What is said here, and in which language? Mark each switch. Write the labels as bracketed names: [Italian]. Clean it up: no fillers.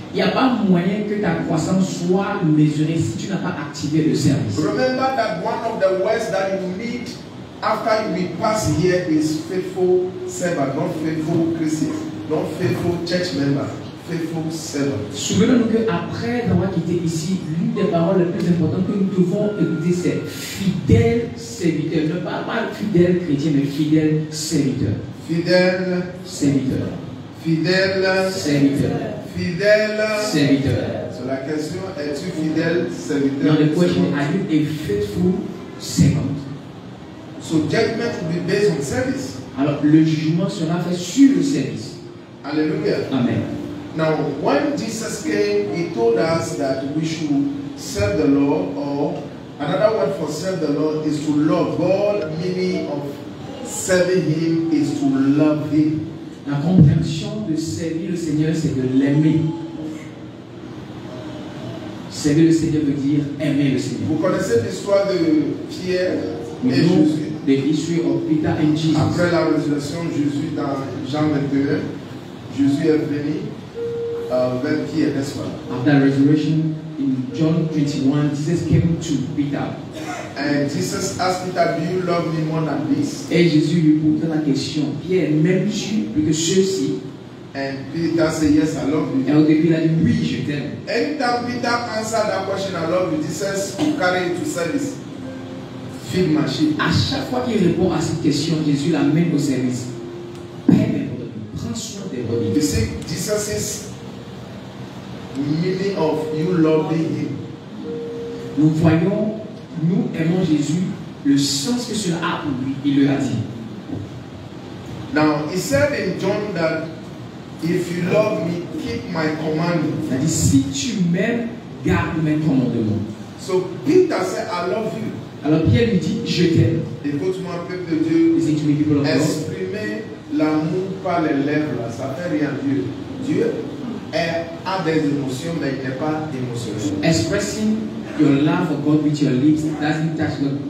[French] Il n'y a pas moyen que ta croissance soit mesurée si tu n'as pas activé le service. [English] Remember that one of the words that you need after you will pass here is faithful servant, not faithful Christian, not faithful church member. [French] Souvenons-nous que après avoir quitté ici, l'une des paroles les plus importantes que nous devons écouter, c'est fidèle serviteur. Ne parle pas fidèle chrétien, mais fidèle serviteur. Fidèle serviteur. Fidèle serviteur. Fidèle serviteur. So la question, es-tu fidèle serviteur? [English] Dans le question, are you a faithful servant? So judgment will be based on service. [French] Alors le jugement sera fait sur le service. Alléluia. Amen. [English] Now, when Jesus came, he told us that we should serve the Lord, or another word for serve the Lord is to love God. Meaning of serving Him is to love Him. [French] La compréhension de servir le Seigneur, c'est de l'aimer. Servir le Seigneur veut dire aimer le Seigneur. Vous connaissez l'histoire de Pierre et Jésus. De l'histoire de Peter et Jésus. Après la résurrection, Jésus dans Jean 21, Jésus est venu. [English] After resurrection in John 21, Jesus came to Peter. And Jesus asked Peter, do you love me more than this? [French] Et Jésus lui posa la question, Pierre, m'aimes-tu plus que ceci? [English] And Peter said, yes, I love you. [French] Et au début, il a dit, oui, je t'aime. [English] Anytime Peter answered that question, I love you, Jesus will carry it to service. Feed my sheep. [French] À chaque fois qu'il répond à cette question, Jésus l'amène au service. Père, prends soin des brebis. [English] You see, Jesus is meaning of you loving him. [French] Nous voyons, nous aimons Jésus, le sens que cela a pour lui, il le a dit. [English] Now, he said in John that if you love me, keep my commandments. [French] Il a dit, si tu m'aimes, garde mes commandements. [English] So Peter said, I love you. [French] Alors Pierre lui dit, je t'aime. Écoute-moi, peuple de Dieu. Et si tu me dis pour l'amour, exprimer l'amour par les lèvres, là, ça fait rien. Dieu, Dieu est, a des émotions, mais il n'est pas émotionnel. [English] Expressing your love for God with your lips doesn't touch God.